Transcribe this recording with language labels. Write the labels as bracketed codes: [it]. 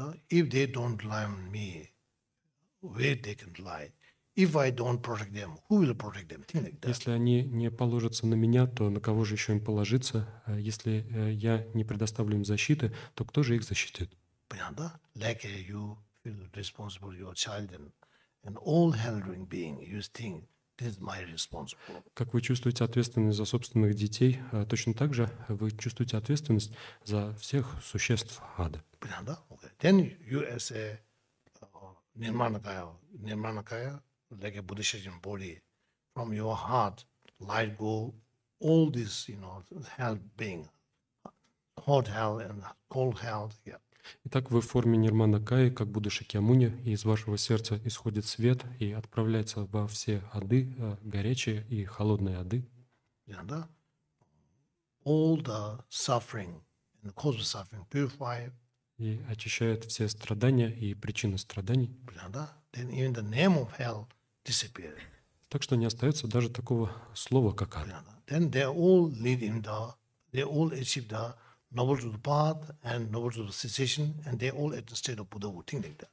[en] If they don't lie on me, where they can lie? If I don't protect them, who will protect them? [ru] Если они не положатся на меня, то на кого же еще им положиться? Если я не предоставлю им защиты, то кто же их защитит? Понятно? [en] Like you feel responsible for your child and all hell-ring being, you think this is my responsibility. [ru] Как вы чувствуете ответственность за собственных детей, точно так же вы чувствуете ответственность за всех существ ада. Понятно? Okay. [en] Then you as a nirmanakaya, like a Bodhisattva body, from your heart, light go, all this, you know, hell being, hot hell and cold hell, yeah. [ru] Итак, вы в форме нирманакаи, как Будда Шакьямуни, и из вашего сердца исходит свет и отправляется во все ады, горячие и холодные ады. [en] Yeah, [ru] да? [en] All the suffering, and the cause of suffering, purify. [ru] И очищает все страдания и причины страданий. [en] Yeah, [ru] да? [en] Then even the name of hell disappears. [ru] Так что не остается даже такого слова, как ад. [en] Yeah, [ru] да? [en] Then they all live in the, they all achieve the noble to the path and noble to the cessation, and they all at the state of Buddha, think like that.